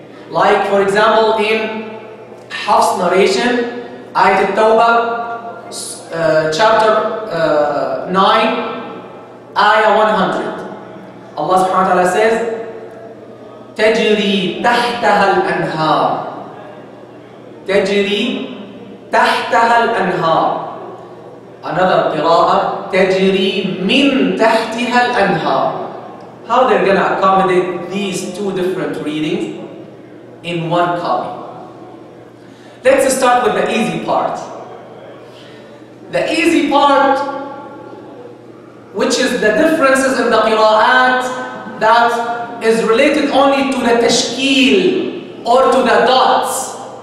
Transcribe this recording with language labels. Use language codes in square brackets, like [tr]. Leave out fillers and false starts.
[en] Like, for example, in Hafs narration, Ayat al-Tawbah, chapter 9, Ayah 100. Allah subhanahu wa ta'ala says, [ar] تجري تحتها الأنهار. تجري تحتها الأنهار. [en] Another [ar] قراءة, تجري من تحتها الأنهار. [en] How they're gonna accommodate these two different readings in one copy? Let's start with the easy part. The easy part, which is the differences in the qira'at that is related only to the tashkeel or to the dots.